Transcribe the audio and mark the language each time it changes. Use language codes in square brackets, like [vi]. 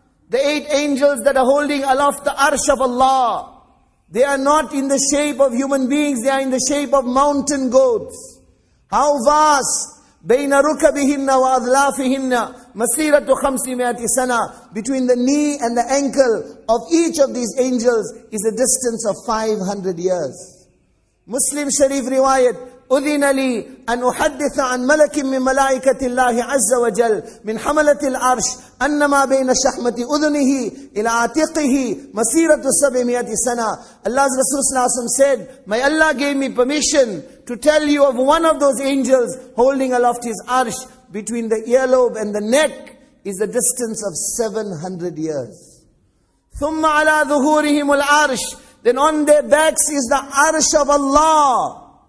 [en] The 8 angels that are holding aloft the arsh of Allah, they are not in the shape of human beings, they are in the shape of mountain goats. How vast! [ar] بَيْنَ رُكَبِهِنَّ وَأَذْلَافِهِنَّ مَسِيرَةُ 500 سنة. [en] Between the knee and the ankle of each of these angels is a distance of 500 years. [ar] Muslim Sharif riwayat, أُذِنَ لِي أَنْ أُحَدِّثَ عَنْ مَلَكٍ مِّن مَلَائِكَةِ اللَّهِ عَزَّ وَجَلْ مِنْ حَمَلَةِ الْعَرْشِ أَنَّمَا بَيْنَ شَحْمَةِ أُذُنِهِ إِلَى عَتِقِهِ مَسِيرَةُ 700 سنة. [en] Allah's Rasul Sallallahu Alaihi Wasallam said, may Allah give me permission to tell you of one of those angels holding aloft his arsh, between the earlobe and the neck is the distance of 700 years. [ar] ثُمَّ عَلَى ظُهُورِهِمُ الْعَرْشِ. [en] Then on their backs is the arsh of Allah.